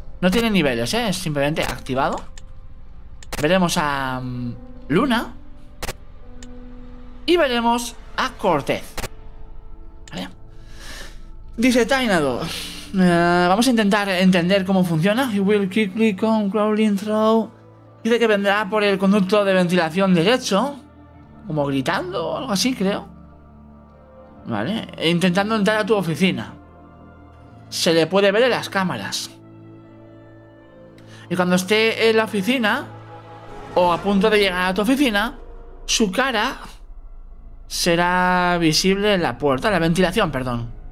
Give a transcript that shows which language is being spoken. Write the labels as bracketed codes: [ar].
[es] No tiene niveles, ¿eh? Es simplemente activado. Veremos a Luna. Y veremos a Cortez. ¿Vale? Dice Chinadou. Vamos a intentar entender cómo funciona. [en] He will quickly come crawling through. [es] Dice que vendrá por el conducto de ventilación derecho. Como gritando o algo así, creo. Vale. Intentando entrar a tu oficina. Se le puede ver en las cámaras. Y cuando esté en la oficina, o a punto de llegar a tu oficina, su cara será visible en la puerta, la ventilación, perdón.